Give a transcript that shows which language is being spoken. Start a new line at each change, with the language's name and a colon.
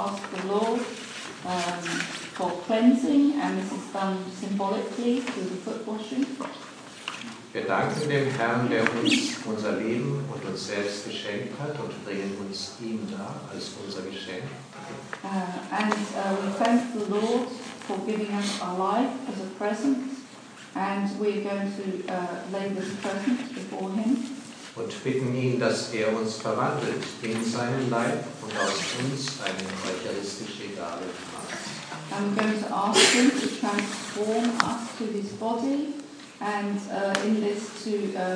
English: And we're going to ask the Lord for cleansing, and this is done symbolically through the foot washing.
German: Wir danken dem Herrn, der uns unser Leben und uns selbst geschenkt hat, und bringen uns ihm dar als unser Geschenk.
English: And we thank the Lord for giving us our life as a present. And we're going to lay this present before him.
German: Und bitten ihn, dass uns verwandelt in seinen Leib und aus uns eine eucharistische Gabe macht.
English: And we're going to ask him to transform us to his body and in this to